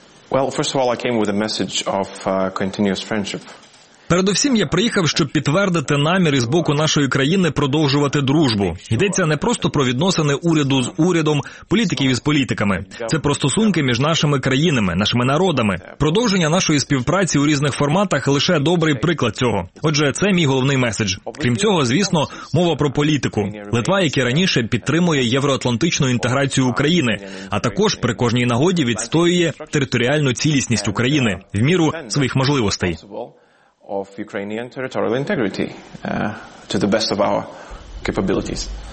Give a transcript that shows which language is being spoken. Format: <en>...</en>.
<en>Well, first of all, I came with a message of continuous friendship.</en> <uk>Передусім, я приїхав, щоб підтвердити намір із боку нашої країни продовжувати дружбу. Йдеться не просто про відносини уряду з урядом, політиків із політиками. Це про стосунки між нашими країнами, нашими народами. Продовження нашої співпраці у різних форматах – лише добрий приклад цього. Отже, це мій головний меседж. Крім цього, звісно, мова про політику. Литва, як і раніше, підтримує євроатлантичну інтеграцію України, а також при кожній нагоді відстоює територіальну цілісність України в міру своїх можливостей.</uk> <en>Of Ukrainian territorial integrity to the best of our capabilities.</en>